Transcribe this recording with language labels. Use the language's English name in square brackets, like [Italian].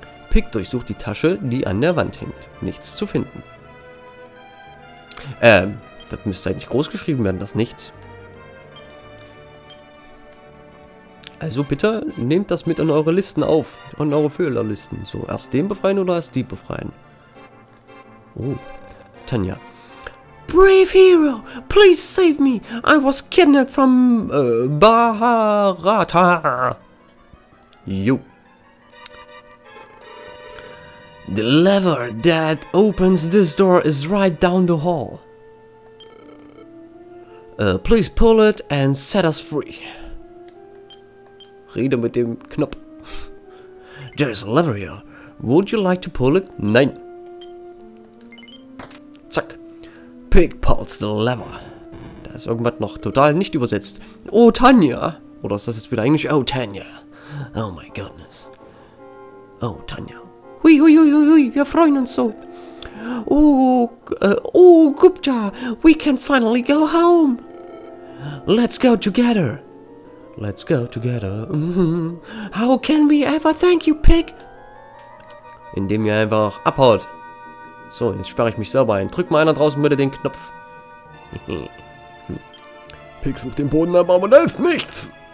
[German] Pickt euch so die Tasche, die an der Wand hängt. Nichts zu finden. Das müsste eigentlich groß geschrieben werden, das Nichts. Also bitte, nehmt das mit in eure Listen auf. In eure Fehlerlisten. So, erst den befreien oder erst die befreien? Oh, Tanja. [English] Brave Hero, please save me. I was kidnapped from Baharata. Jo. The lever that opens this door is right down the hall. Please pull it and set us free. [German] Rede mit dem Knopf. [English] There is a lever here. Would you like to pull it? [German] Nein. [English] Zack. Pick pulls the lever. [German] Da ist irgendwas noch total nicht übersetzt. Oh, Tanja. Oder ist das jetzt wieder Englisch? [English] Oh, Tanja. Oh, my goodness. Oh, Tanja. [German] Hui, hui, hui, hui, wir freuen uns so. [English] Oh, Gupta, we can finally go home. Let's go together. Let's go together. How can we ever thank you, Pig? [German] Indem ihr einfach abhaut. So, jetzt sperre ich mich selber ein. Drück mal einer draußen bitte den Knopf. Pig sucht den Boden ab, aber da ist nichts.